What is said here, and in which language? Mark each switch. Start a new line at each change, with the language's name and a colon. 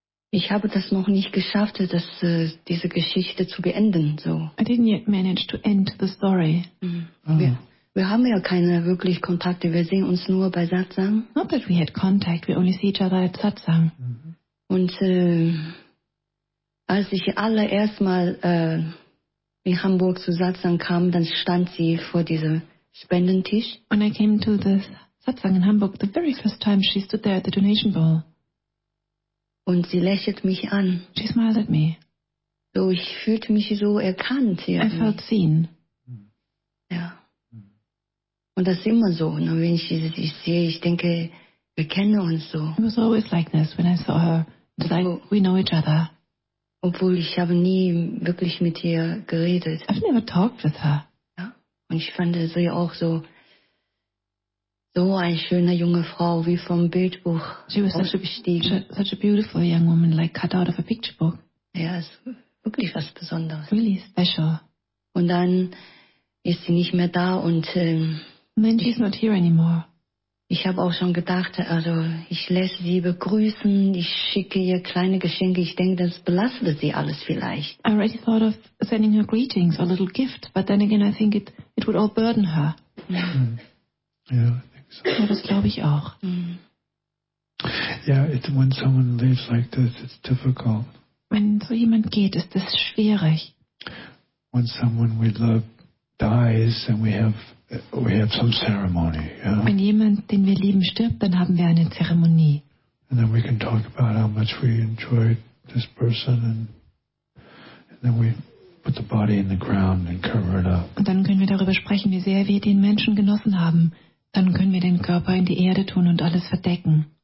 German: Ich habe das noch nicht geschafft, das, diese Geschichte zu beenden. So.
English: I didn't yet manage to end the story.
German: Wir haben ja keine wirklich Kontakte, wir sehen uns nur bei Satsang.
English: Not that we had contact, we only see each other at Satsang.
German: Und als ich allererst mal in Hamburg zu Satsang kam, dann stand sie vor diesem Spendentisch.
English: When I came to the Satsang in Hamburg, the very first time she stood there at the donation bowl.
German: Und sie lächelt mich an.
English: She smiled at me.
German: So, ich fühlte mich so erkannt. Irgendwie.
English: I felt seen.
German: Ja. Und das ist immer so. Ne? Wenn ich sie sehe, ich denke, wir kennen uns so.
English: It was always like this when I saw her. It's like we know each other.
German: Obwohl ich habe nie wirklich mit ihr geredet.
English: I've never talked with her.
German: Ja. Und ich fand sie auch so. So eine schöne junge Frau, wie vom Bildbuch.
English: She was such a beautiful young woman, like cut out of a picture book.
German: Ja, es ist wirklich was Besonderes.
English: Really special.
German: Und dann ist sie nicht mehr da und...
English: Then she's not here anymore.
German: Ich habe auch schon gedacht, also ich lasse sie begrüßen, ich schicke ihr kleine Geschenke, ich denke, das belastet sie alles vielleicht.
English: I already thought of sending her greetings or little gifts, but then again I think it would all burden her. Yeah, I think so.
German: Ja, das glaube ich auch.
English: Yeah, it's when someone leaves like this, it's difficult.
German: Wenn so jemand geht, ist das schwierig.
English: When someone we love dies, and we have some ceremony. Yeah.
German: Wenn jemand, den wir lieben, stirbt, dann haben wir eine Zeremonie.
English: And then we can talk about how much we enjoyed this person, and then we put the body in the ground and cover it up.
German: Und dann können wir darüber sprechen, wie sehr wir den Menschen genossen haben. Dann können wir den Körper in die Erde tun und alles verdecken.